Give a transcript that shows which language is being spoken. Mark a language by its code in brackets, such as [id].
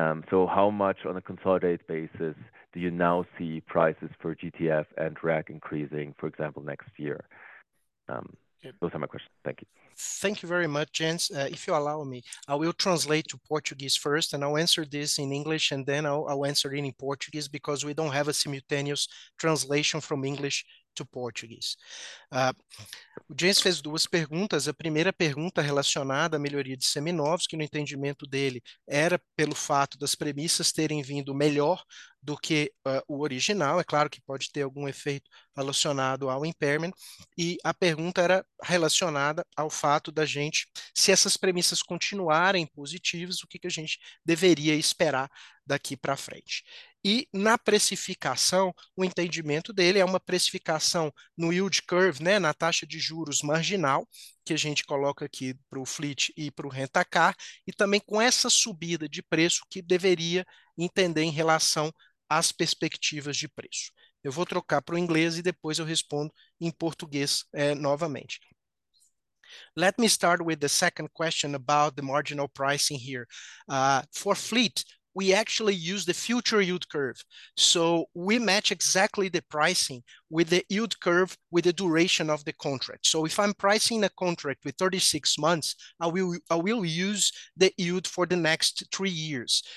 [en] So how much on a consolidated basis do you now see prices for GTF and RAC increasing, for example, next year? Those are my questions. Thank you. Thank you very much, Jens. If you allow me, I will translate to Portuguese first, and I'll answer this in English, and then I'll answer it in Portuguese because we don't have a simultaneous translation from English to Portuguese. [pt] O James fez duas perguntas. A primeira pergunta relacionada à melhoria de seminovos, que no entendimento dele era pelo fato das premissas terem vindo melhor do que o original. É claro que pode ter algum efeito relacionado ao impairment. E a pergunta era relacionada ao fato da gente, se essas premissas continuarem positivas, o que que a gente deveria esperar daqui para frente. E na precificação, o entendimento dele é uma precificação no yield curve, né, na taxa de juros marginal, que a gente coloca aqui para o fleet e para o rent-a-car, e também com essa subida de preço que deveria entender em relação às perspectivas de preço. Eu vou trocar para o inglês e depois eu respondo em português, novamente. [en] Let me start with the second question about the marginal pricing here. For fleet, we actually use the future yield curve. So we match exactly the pricing with the yield curve with the duration of the contract. So if I'm pricing a contract with 36 months, I will use the yield for the next 3 years.